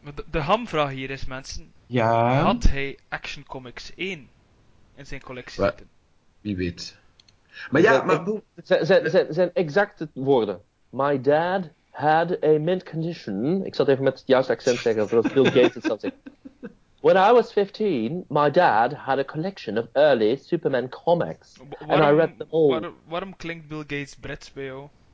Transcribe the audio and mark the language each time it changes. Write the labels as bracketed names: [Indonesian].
[Dutch] De hamvraag hier is, mensen, had hij Action Comics 1 in zijn collectie zitten? Wie weet. Maar zijn exacte woorden. [English] My dad had a mint condition. [Dutch] Ik zat even met het juiste accent zeggen, voordat Bill Gates het zelf zegt. [English] When I was 15, my dad had a collection of early Superman comics, and I read them all. [Dutch] Waarom klinkt Bill Gates Brits bij jou?